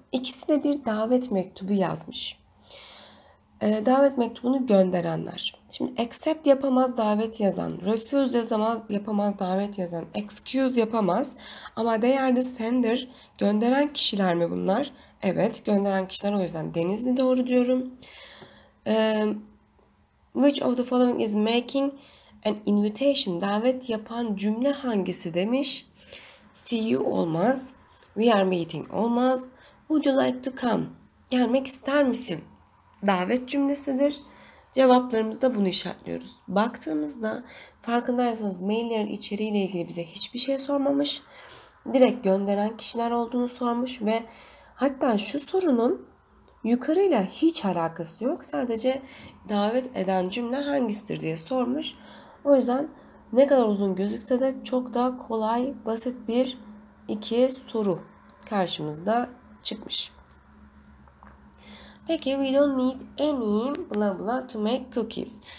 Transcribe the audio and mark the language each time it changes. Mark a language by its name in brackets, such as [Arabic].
[Turkish] İkisine bir davet mektubu yazmış. Davet mektubunu gönderenler. Şimdi accept yapamaz davet yazan, refuse yazamaz yapamaz davet yazan, excuse yapamaz. Ama [English] they are the sender, [Turkish] gönderen kişiler mi bunlar? Evet, gönderen kişiler, o yüzden Denizli doğru diyorum. [English] Which of the following is making an invitation? [Turkish] Davet yapan cümle hangisi demiş? [English] See you [Turkish] olmaz. [English] We are meeting [Turkish] olmaz. [English] Would you like to come? [Turkish] Gelmek ister misin? Davet cümlesidir. Cevaplarımızı da bunu işaretliyoruz. Baktığımızda farkındaysanız maillerin içeriğiyle ilgili bize hiçbir şey sormamış. Direkt gönderen kişiler olduğunu sormuş ve hatta şu sorunun yukarıyla hiç alakası yok. Sadece davet eden cümle hangisidir diye sormuş. O yüzden ne kadar uzun gözükse de çok daha kolay, basit bir iki soru karşımızda çıkmış. [English] Peki, we don't need any blah blah to make cookies.